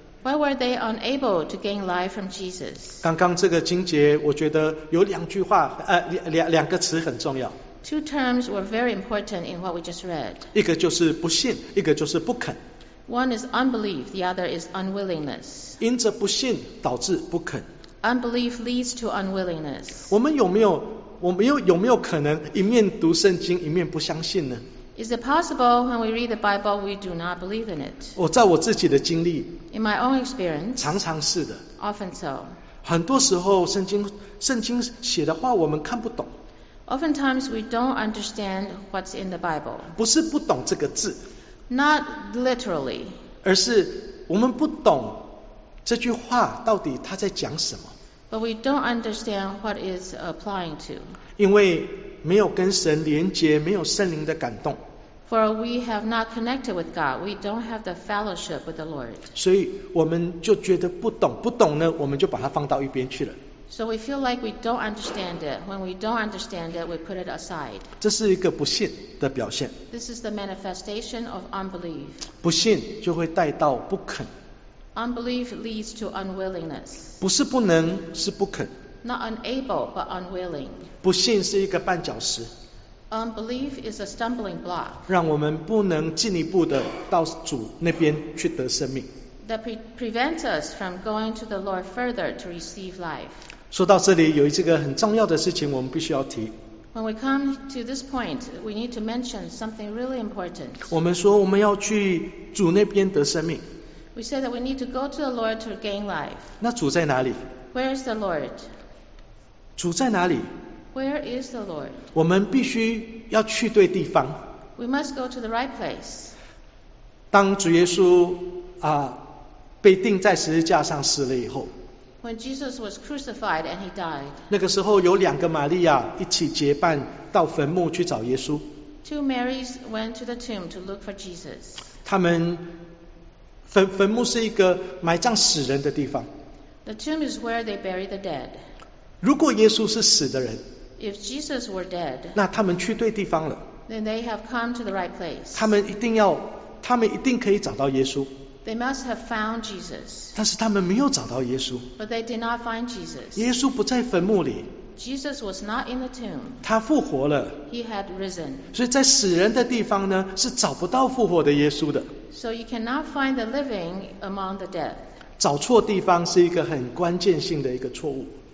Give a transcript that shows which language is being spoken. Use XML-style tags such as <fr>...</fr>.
<en>Why were they unable to gain life from Jesus?</en> <zh>刚刚这个经节我觉得有两句话两个词很重要。</zh> <en>Two terms were very important in what we just read.</en> <zh>一个就是不信一个就是不肯。</zh> <en>One is unbelief, the other is unwillingness.</en> <zh>因着不信导致不肯。</zh> <en>Unbelief leads to unwillingness.</en> <zh>我们有没有可能一面读圣经一面不相信呢？</zh> <en>Is it possible when we read the Bible we do not believe in it?</en> <zh>我在我自己的经历</zh> <en>In my own experience</en> <zh>常常是的</zh> <en>Often so</en> <zh>很多时候圣经写的话我们看不懂</zh> <en>Oftentimes we don't understand what's in the Bible</en> <zh>不是不懂这个字</zh> <en>Not literally</en> <zh>而是我们不懂这句话到底它在讲什么</zh> <en>But we don't understand what it's applying to</en> <zh>因为没有跟神连接，没有圣灵的感动。</zh> <en>For we have not connected with God, we don't have the fellowship with the Lord.</en> <zh>所以我们就觉得不懂，不懂呢，我们就把它放到一边去了。</zh> <en>So we feel like we don't understand it. When we don't understand it, we put it aside.</en> <zh>这是一个不信的表现。</zh> <en>This is the manifestation of unbelief.</en> <zh>不信就会带到不肯。</zh> <en>Unbelief leads to unwillingness.</en> <zh>不是不能，是不肯。</zh> <en>Not unable, but unwilling.</en> <zh>不信是一个绊脚石。</zh> <en>Unbelief is a stumbling block.</en> <zh>让我们不能进一步的到主那边去得生命。</zh> <en>That prevents us from going to the Lord further to receive life.</en> <zh>说到这里，有一个很重要的事情我们必须要提。</zh> <en>When we come to this point, we need to mention something really important.</en> <zh>我们说我们要去主那边得生命。</zh> <en>We say that we need to go to the Lord to gain life.</en> <zh>那主在哪里？</zh> <en>Where is the Lord?</en> <zh>主在哪里？</zh> <en>Where is the Lord?</en> <zh>我们必须要去对地方。</zh> <en>We must go to the right place.</en> <zh>当主耶稣被钉在十字架上死了以后。</zh> <en>When Jesus was crucified and he died.</en> <zh>那个时候有两个玛利亚一起结伴到坟墓去找耶稣。</zh> <en>Two Marys went to the tomb to look for Jesus.</en> <zh>他们坟墓是一个埋葬死人的地方。</zh> <en>The tomb is where they bury the dead.</en> <zh>如果耶稣是死的人</zh> <en>If Jesus were dead,</en> <zh>那他们去对地方了</zh> <en>then they have come to the right place.</en> <zh>他们一定可以找到耶稣</zh> <en>They must have found Jesus.</en> <zh>但是他们没有找到耶稣</zh> <en>But they did not find Jesus.</en> <zh>耶稣不在坟墓里</zh> <en>Jesus was not in the tomb.</en> <zh>他复活了</zh> <en>He had risen.</en> <zh>所以在死人的地方呢是找不到复活的耶稣的</zh> <en>So you cannot find the living among the dead.</en> <zh>找错地方是一个很关键性的一个错误。</zh>